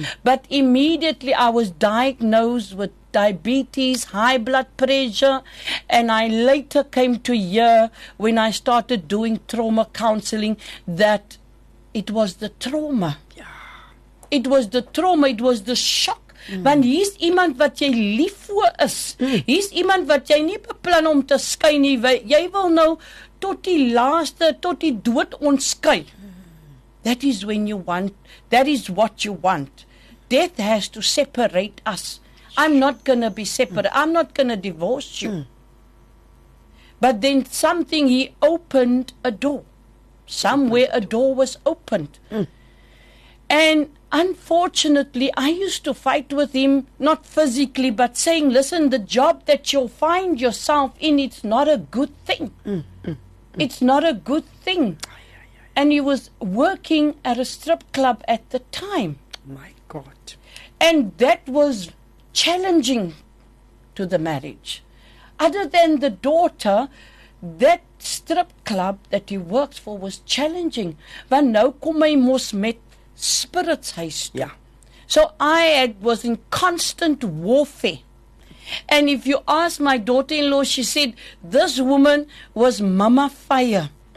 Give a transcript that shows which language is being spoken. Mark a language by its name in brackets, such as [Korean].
[English] But immediately I was diagnosed with diabetes, high blood pressure, and I later came to hear when I started doing trauma counseling that it was the trauma. Yeah. It was the trauma, it was the shock. [Afrikaans] Want hier is iemand wat jy lief voor is. Hier is iemand wat jy nie beplan om te skei nie. Jy wil nou tot die laaste, tot die dood ontskei. [English] That is when you want, that is what you want. Death has to separate us. I'm not going to be separate. I'm not going to divorce you. But then something, he opened a door. Somewhere a door was opened. And unfortunately, I used to fight with him, not physically, but saying, listen, the job that you'll find yourself in, it's not a good thing. It's not a good thing. And he was working at a strip club at the time. My God. And that was challenging to the marriage. Other than the daughter, that strip club that he worked for was challenging. [Afrikaans] Want nou kom hy mos met spirits huis toe. [English] Yeah. So I was in constant warfare. And if you ask my daughter-in-law, she said, this woman was Mama Fire.